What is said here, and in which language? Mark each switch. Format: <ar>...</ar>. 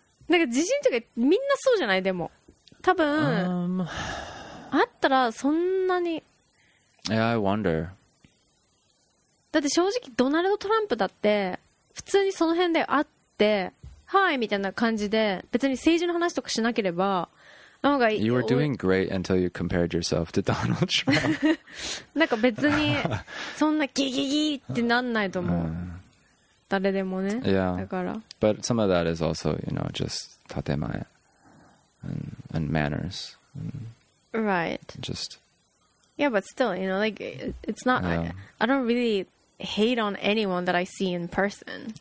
<ja>なんか自信とかみんなそうじゃない？でも多分、あったらそんなに。</ja> <en>Yeah, I wonder.</en> <ja>だって正直ドナルド・トランプだって普通にその辺で会ってはいみたいな感じで別に政治の話とかしなければなんか</ja> <en>You were doing great until you compared yourself to Donald Trump.</en> <ja>なんか別にそんなギギギってなんないと思う。誰でもね。</ja> <en>Yeah.</en> <ja>だから。</ja> <en>But some of that is also, you know, just 建前 and manners. And right. Just. Yeah, but still, you know, like it's not. Yeah. I don't really hate on anyone that I see in person.</en>